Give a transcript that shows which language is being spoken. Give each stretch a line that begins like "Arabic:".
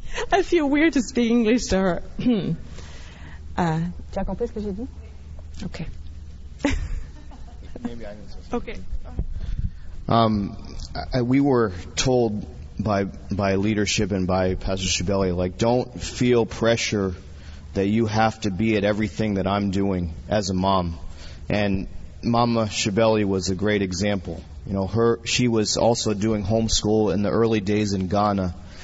English: I feel weird to speak English to her.
French: Tu as compris ce que j'ai dit?
English: Okay. Maybe I didn't say something. Okay. We were told by leadership and by Pastor Shibeli, like, don't feel pressure that you have to be at everything that I'm doing as a mom. And Mama Shibeli was a great example. You know, she was also doing homeschool in the early days in Ghana.